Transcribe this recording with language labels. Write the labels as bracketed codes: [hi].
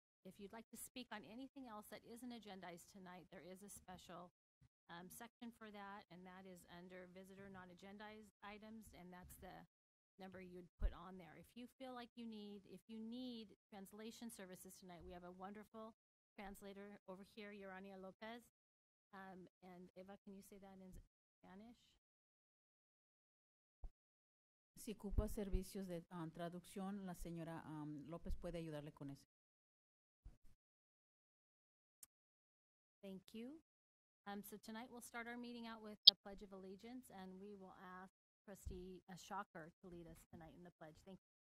[en] If you'd like to speak on anything else that isn't agendized tonight, there is a special section for that, and that is under visitor non-agendized items, and that's the number you'd put on there. If you feel like you need, if you need translation services tonight, we have a wonderful translator over here, Yurania Lopez. And Eva, can you say that in Spanish? [es] Si ocupa servicios de traducción, la señora Lopez puede ayudarle con eso. [en] Thank you. So tonight we'll start our meeting out with the Pledge of Allegiance, and we will ask Trustee Shocker to lead us tonight in the pledge. Thank you.